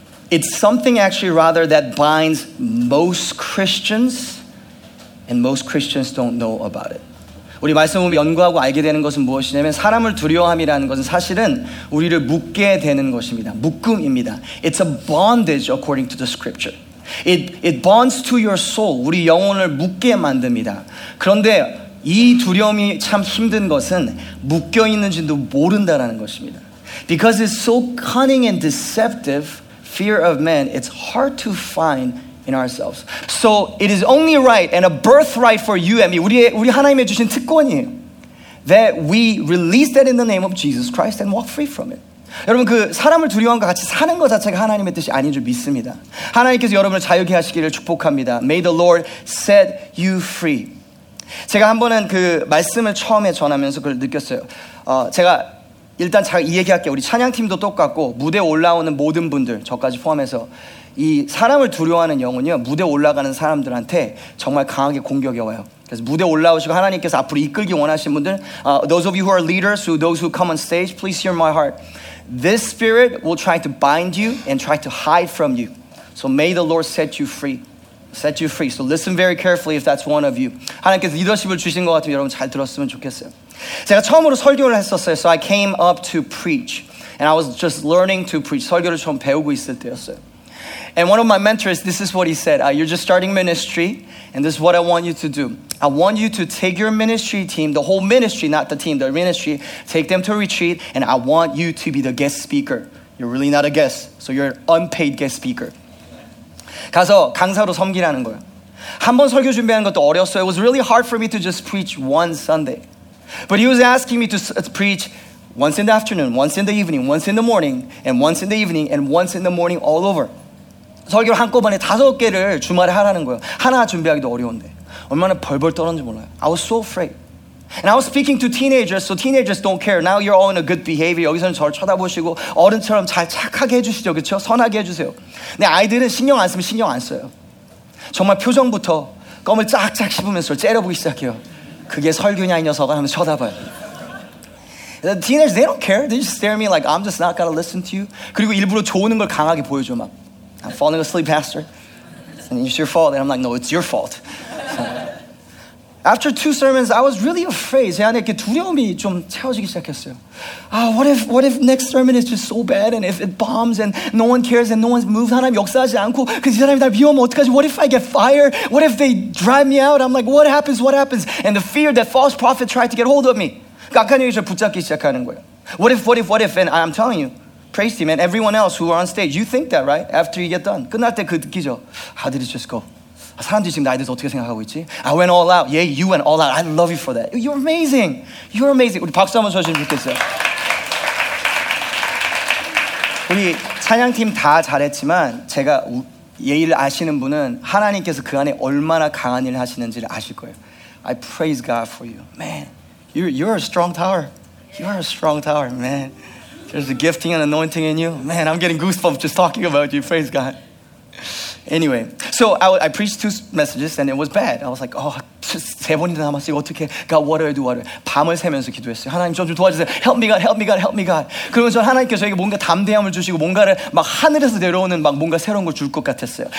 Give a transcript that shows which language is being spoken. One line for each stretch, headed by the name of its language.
English: It's something actually rather that binds most Christians, and most Christians don't know about it.
Korean: 우리 말씀을 연구하고 알게 되는 것은 무엇이냐면 사람을 두려워함이라는 것은 사실은 우리를 묶게 되는 것입니다. 묶음입니다.
English: It's a bondage according to the scripture. It bonds to your soul.
Korean: 우리 영혼을 묶게 만듭니다. 그런데 이 두려움이 참 힘든 것은 묶여 있는지도 모른다라는 것입니다.
English: Because it's so cunning and deceptive, fear of men, it's hard to find in ourselves. So it is only right and a birthright for you and me,
Korean: 우리 하나님이 주신 특권이에요,
English: that we release that in the name of Jesus Christ and walk free from it.
Korean: 여러분, 그 사람을 두려워한 것 같이 사는 것 자체가 하나님의 뜻이 아닌 줄 믿습니다. 하나님께서 여러분을 자유케 하시기를 축복합니다.
English: May the Lord set you free.
Korean: 제가 한 번은 그 말씀을 처음에 전하면서 그걸 느꼈어요. 제가 일단 잘 얘기할게요. 우리 찬양팀도 똑같고 무대 올라오는 모든 분들 저까지 포함해서 이 사람을 두려워하는 영혼이요, 무대 올라가는 사람들한테 정말 강하게 공격이 와요. 그래서 무대 올라오시고 하나님께서 앞으로 이끌기 원하시는 분들,
English: those of you who are leaders, those who come on stage, please hear my heart. This spirit will try to bind you and try to hide from you. So may the Lord set you free. Set you free. So listen very carefully if that's one of you.
Korean: 하나님께서 리더십을 주신 것 같으면 여러분 잘 들었으면 좋겠어요. 제가 처음으로 설교를 했었어요.
English: So I came up to preach. And I was just learning to preach.
Korean: 설교를 처음 배우고 있을 때였어요.
English: And one of my mentors, this is what he said. You're just starting ministry, and this is what I want you to do. I want you to take your ministry team, the whole ministry, not the team, the ministry, take them to a retreat, and I want you to be the guest speaker. You're really not a guest, so you're an unpaid guest speaker.
Korean: 가서 강사로 섬기라는 거예요. 한 번 설교 준비하는 것도 어려웠어요.
English: It was really hard for me to just preach one Sunday. But he was asking me to preach once in the afternoon, once in the evening, once in the morning, and once in the evening, and once in the morning all over.
Korean: 설교를 한꺼번에 다섯 개를 주말에 하라는 거예요. 하나 준비하기도 어려운데. 얼마나 벌벌 떨었는지 몰라요.
English: I was so afraid. And I was speaking to teenagers, so teenagers don't care. Now you're all in a good behavior.
Korean: 여기서는 저를 쳐다보시고 어른처럼 잘 착하게 해주시죠, 그렇죠? 선하게 해주세요. 근데 아이들은 신경 안 쓰면 신경 안 써요. 정말 표정부터 껌을 쫙쫙 씹으면서 째려보기 시작해요. 그게 설교냐, 이 녀석아? 하면서 쳐다봐요.
English: The teenagers, they don't care. They just stare at me like, I'm just not gonna listen to you.
Korean: 그리고 일부러 좋은 걸 강하게 보여줘, 막.
English: I'm falling asleep, Pastor. And it's your fault. And I'm like, no, it's your fault. So, after two sermons, I was really afraid.
Korean: 제 안에 두려움이 좀 채워지기 시작했어요.
English: What if next sermon is just so bad, and if it bombs, and no one cares, and no one's moved,
Korean: 하나님 역사하지 않고, 그 사람이 날 비워면 어떡하지?
English: What if I get fired? What if they drive me out? I'm like, what happens? And the fear that false prophet tried to get hold of me.
Korean: 깎아내기 전에 붙잡기 시작하는 거예요.
English: What if, and I'm telling you, praise team and everyone else who are on stage, you think that, right? After you get done.
Korean: 끝날 때 그 느끼죠.
English: How did it just go?
Korean: 사람들이 지금 나에 대해서 어떻게 생각하고 있지?
English: I went all out. Yeah, you went all out. I love you for that. You're amazing. You're amazing.
Korean: 우리 박수 한번 쳐주시면 좋겠어요. 우리 찬양팀 다 잘했지만 제가 예의를 아시는 분은 하나님께서 그 안에 얼마나 강한 일을 하시는지를 아실 거예요.
English: I praise God for you. Man, you're a strong tower. You're a strong tower, man. There's a gifting and anointing in you. Man, I'm getting goosebumps just talking about you. Praise God. Anyway, so I preached two messages and it was bad. I was like, oh,
Korean: 세 번이나 남았어요. 어떻게?
English: God, what do I do?
Korean: 밤을 새면서 기도했어요. 하나님, 좀 도와주세요.
English: Help me, God.
Korean: 그러면서 하나님께서 저에게 뭔가 담대함을 주시고 뭔가를 막 하늘에서 내려오는 막 뭔가 새로운 걸 줄 것 같았어요.